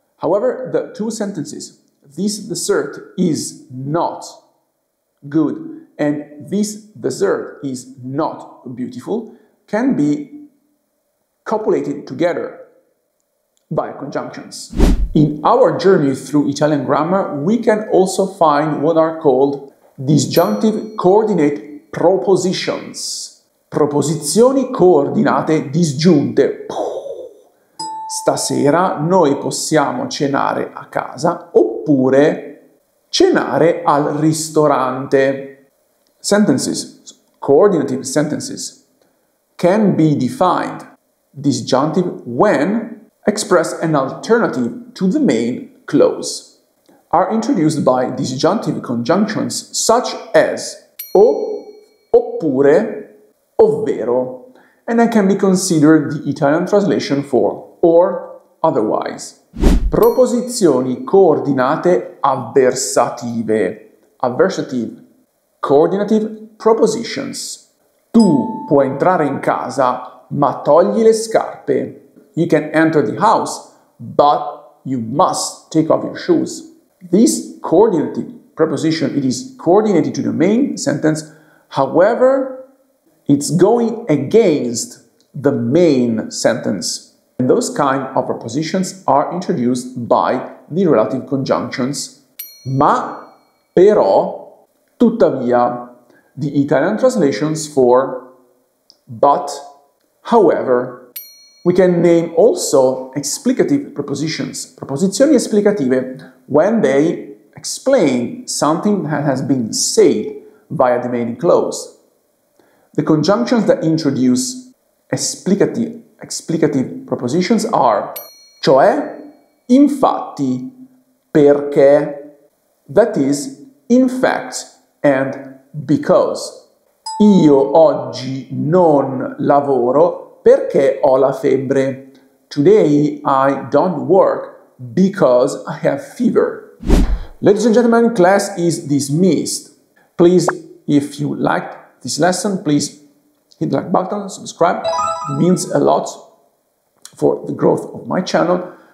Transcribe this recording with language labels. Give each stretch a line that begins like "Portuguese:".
English: However, the two sentences, this dessert is not good and this dessert is not beautiful, can be copulated together by conjunctions. In our journey through Italian grammar, we can also find what are called disjunctive coordinate propositions.
Italian: Proposizioni coordinate disgiunte. Stasera noi possiamo cenare a casa oppure cenare al ristorante.
English: Sentences, coordinative sentences, can be defined disjunctive when express an alternative to the main clause. Are introduced by disjunctive conjunctions such as
Italian: o, oppure, ovvero,
English: and then can be considered the Italian translation for or otherwise.
Italian: Proposizioni coordinate avversative. Aversative.
English: Coordinative propositions.
Italian: Tu puoi entrare in casa, ma togli le scarpe.
English: You can enter the house, but you must take off your shoes. This coordinative preposition, it is coordinated to the main sentence. However, it's going against the main sentence. And those kind of prepositions are introduced by the relative conjunctions.
Italian: Ma, però, tuttavia.
English: The Italian translations for but, however. We can name also explicative prepositions.
Italian: Proposizioni esplicative,
English: when they explain something that has been said via the main clause. The conjunctions that introduce explicative prepositions are
Italian: cioè, infatti, perché,
English: that is, in fact, and because.
Italian: Io oggi non lavoro perché ho la febbre.
English: Today I don't work because I have fever. Ladies and gentlemen, class is dismissed. Please, if you liked this lesson, please hit the like button, subscribe. It means a lot for the growth of my channel.